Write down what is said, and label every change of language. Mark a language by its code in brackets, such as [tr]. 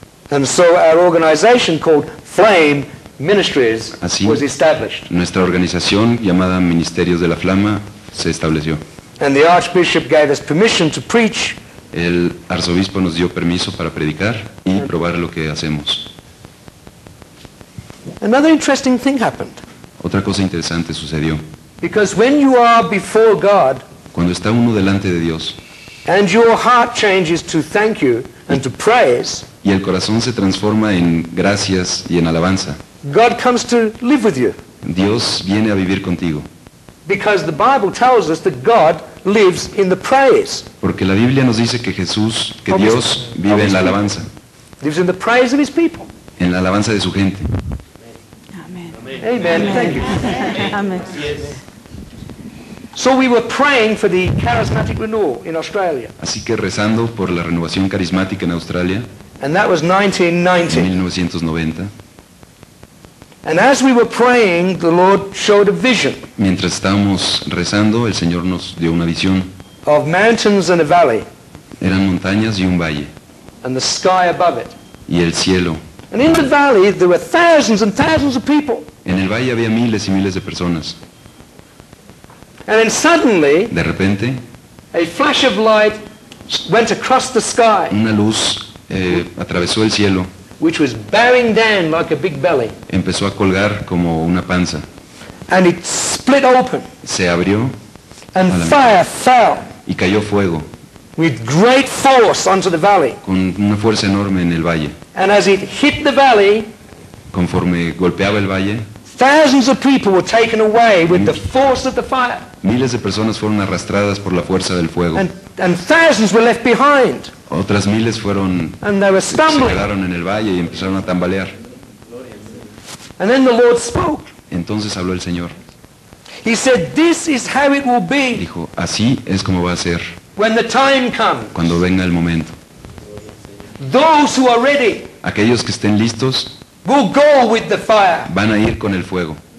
[en] And so our organization called Flame Ministries Así, was established. [es] Nuestra organización llamada Ministerios de la Flama se estableció. [en] And the Archbishop gave us permission to preach. [es] El arzobispo nos dio permiso para predicar y probar lo que hacemos. [en] Another interesting thing happened. [es] Otra cosa interesante sucedió. [en] Because when you are before God, [es] cuando está uno delante de Dios, [en] and your heart changes to thank you and to praise, [es] y el corazón se transforma en gracias y en alabanza, [en] God comes to live with you. [es] Dios viene a vivir contigo. [en] Because the Bible tells us that God lives in the praise. [es] Porque la Biblia nos dice que Jesús, que Dios vive en la alabanza. [en] Lives in the praise of His people. [es] En la alabanza de su gente. [en] Amen. Amen. Amen. Thank you. Amen. So we were praying for the charismatic renewal in Australia. [es] Así que rezando por la renovación carismática en Australia. [en] And that was 1990. [es] 1990. [en] And as we were praying, the Lord showed a vision. [es] Mientras estábamos rezando, el Señor nos dio una visión. [en] Of mountains and a valley. [es] Eran montañas y un valle. [en] And the sky above it. [es] Y el cielo. [en] And in the valley there were thousands and thousands of people. [es] En el valle había miles y miles de personas. [en] And then suddenly, [es] de repente, [en] a flash of light went across the sky. [es] Una luz atravesó el cielo. [en] Which was bearing down like a big belly. [es] Empezó a colgar como una panza. [en] And it split open. [es] Se abrió. [en] And fire fell. [es] Y cayó fuego. [en] With great force onto the valley. [es] Con una fuerza enorme en el valle. [en] And as it hit the valley, [es] conforme golpeaba el valle, [en] thousands of people were taken away with the force of the fire. [es] Miles de personas fueron arrastradas por la fuerza del fuego. [en] And thousands were left behind. [es] Otras miles fueron, [en] and they were stumbling. [es] Se quedaron en el valle y empezaron a tambalear. [en] And then the Lord spoke. [es] Entonces habló el Señor. [en] He said, "This is how it will be." [es] Dijo, así es como va a ser. [en] When the time comes. [es] Cuando venga el momento. [en] Those who are ready. [es] Aquellos que estén listos. [en] Will go with the fire. [es] Van a ir con el fuego.